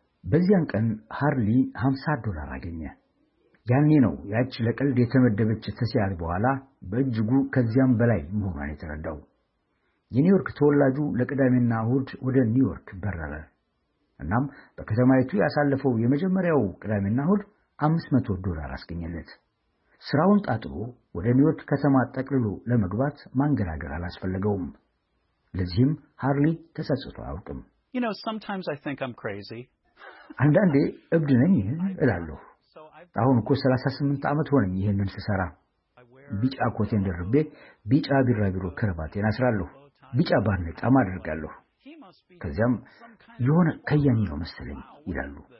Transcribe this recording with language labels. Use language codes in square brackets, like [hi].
[am] በዚያን ቀን ሃርሊ $50 አገኘ። ያኔ ነው ያች ለቀልድ የተመደበች ተሲያል በኋላ በእጅጉ ከዚያም በላይ መሆኗን የተረዳው። የኒውዮርክ ተወላጁ ለቅዳሜና እሁድ ወደ ኒውዮርክ በረረ። እናም በከተማይቱ ያሳለፈው የመጀመሪያው ቅዳሜና እሁድ $500 አስገኘለት። ስራውን ጣጥሮ ወደ ኒውዮርክ ከተማ ተጠቅልሎ ለመግባት ማንገራገር አላስፈለገውም። ለዚህም ሃርሊ ተሰጽቶ አውቅም። [en] You know, sometimes I think I'm crazy. [am] አንዳንዴ እብድ ነኝ እላለሁ። አሁን እኮ 38 ዓመት ሆነኝ ይሄንን ስሰራ። ቢጫ ኮቴን ደርቤ ቢጫ ቢራቢሮ ክራባቴን አስራለሁ። ቢጫ ባርኔጣ ማድርጋለሁ። ከዚያም የሆነ ከያኒ ነው መሰለኝ ይላሉ።